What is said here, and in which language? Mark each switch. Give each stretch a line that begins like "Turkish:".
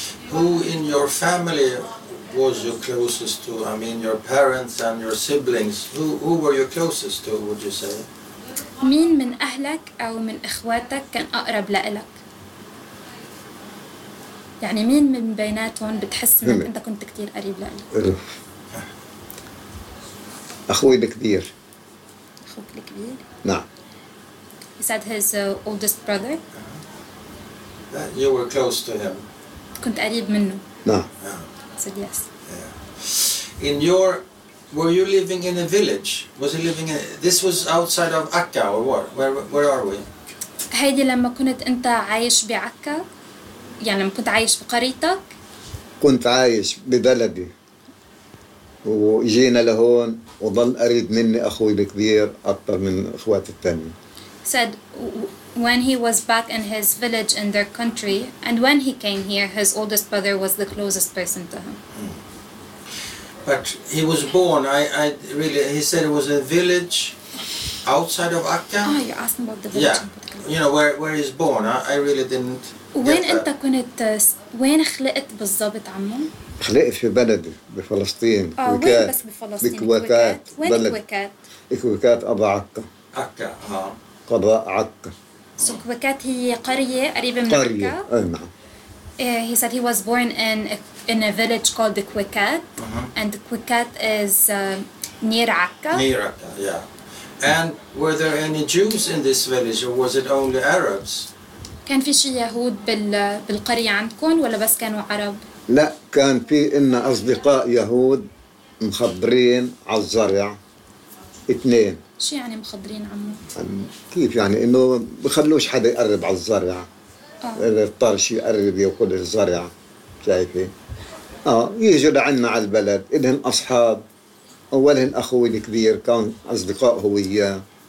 English: who in your family was you closest to I mean your parents and your siblings who were you closest to would you say
Arabic: مين من أهلك أو من إخواتك كان أقرب لإلك؟ يعني مين من بيناتهم بتحس إنك أنت كنت كتير قريب لإلك؟ أخوي الكبير. أخوك الكبير؟ نعم.
English: He said his oldest brother. You were close to him.
Arabic: كنت قريب منه. نعم.
English: I said yes. Yeah. In your Were you living in a village? Was you living in this was outside of Akka or what? Where are we?
Arabic: هيدي لما كنت انت عايش بعكا يعني لما كنت عايش بقريتك كنت عايش ببلدي وجينا لهون وظل قريب مني اخوي الكبير اكثر من اخواتي الثانية
English: said when he was back in his village in their country and when he came here his oldest brother was the closest person to him But he was born, I really, he said it was a village outside of Akka. Oh, you asked about the village. Yeah, you know where he's born. I really didn't.
Arabic: وين أنت كنت وين خلقت بالضبط عمو؟ خلقت في بلدي بفلسطين. آه وين بس بفلسطين؟ بكويكات. وين كويكات؟ كويكات أبا عكا. عكا. قضاء عكا.
English: So
Arabic: كويكات هي قرية قريبة من عكا. قرية. نعم.
English: He said he was born in a village called the كويكات. And كويكات is near عكا. Near عكا. Yeah. And were there any Jews in this village or was it only Arabs?
Arabic: كان في شيء يهود بالقرية عندكم ولا بس كانوا عرب؟ لا كان في إن أصدقاء يهود مخضرين على الزرع اثنين. شو يعني مخضرين عمو؟ كيف يعني إنه بخلوش حدا يقرب على الزرع. الطرش يقرب يأكل الزرع شايفين؟ يجوا لعنا على البلد إلهن أصحاب أولهن أخوي الكبير كان أصدقاء هو إياه.